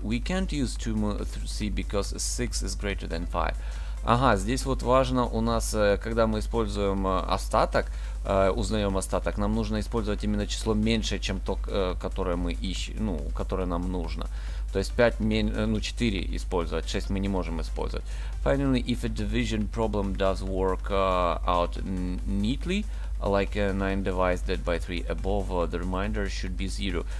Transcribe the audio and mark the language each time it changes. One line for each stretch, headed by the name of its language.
English: We can't use 2c because 6 is greater than 5.
Russian: Ага, здесь вот важно у нас, когда мы используем остаток, узнаем остаток, нам нужно использовать именно число меньшее, чем то, которое мы ищем, ну, которое нам нужно. То есть 4 использовать, 6 мы не можем использовать.
English: Finally, if a division problem does work out neatly, like a 9 divided by 3 above, the remainder should be 0.